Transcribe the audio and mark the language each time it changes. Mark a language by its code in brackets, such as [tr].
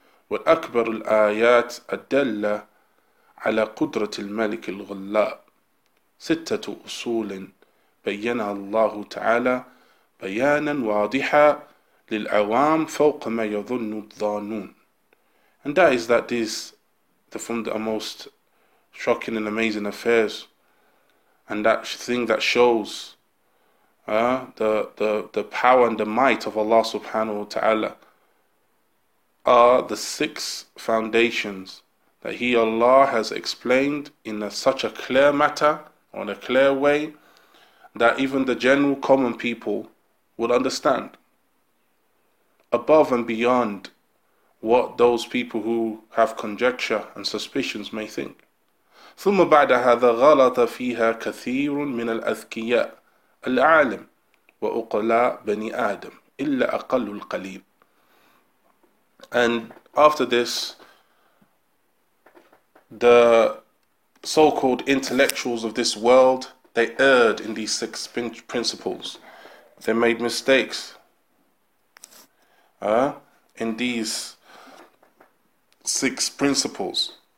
[ar] والأكبر الآيات الدلة على قدرة الملك الغلاب. ستة أصول بينها الله تعالى بيانا واضحا للعوام فوق ما يظن الظانون. [en] And that is that this, from the most shocking and amazing affairs, and that thing that shows the power and the might of Allah subhanahu wa ta'ala, are the six foundations that He Allah has explained in such a clear matter, or in a clear way, that even the general common people would understand, above and beyond what those people who have conjecture and suspicions may think. [ar] ثُمَّ بَعْدَ هَذَا غَلَطَ فِيهَا كَثِيرٌ مِنَ الْأَذْكِيَاءِ العالم وأقلاء بني آدم إلا أقل القليل. [en] And after this, the so-called intellectuals of this world, they erred in these six principles. They made mistakes in these six principles.